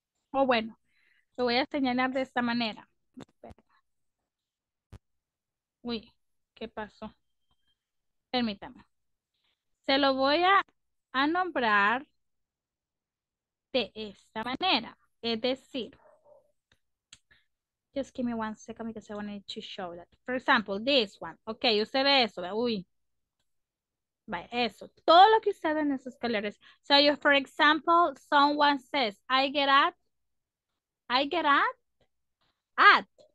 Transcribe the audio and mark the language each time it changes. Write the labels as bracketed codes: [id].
[es] O bueno, lo voy a señalar de esta manera. Uy, ¿qué pasó? Permítame. Se lo voy a nombrar de esta manera. Es decir, [en] just give me one second because I wanted to show that. For example, this one. Ok, [es] usted ve eso, ¿ve? [en] Uy. [es] Vaya, eso, todo lo que usted ve en esos colores. [en] So, you, for example, someone says, I get up at.